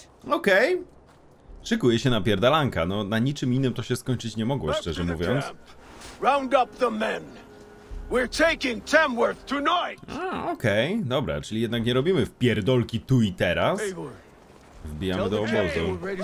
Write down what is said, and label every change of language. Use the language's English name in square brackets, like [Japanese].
[Polish] Okej. Szykuje się na pierdalanka. No, na niczym innym to się skończyć nie mogło, szczerze mówiąc. [English] Round up the men. We're taking Tamworth tonight. [Polish] Okej, okay, dobra, czyli jednak nie robimy w pierdolki tu i teraz. Wbijamy do obozu.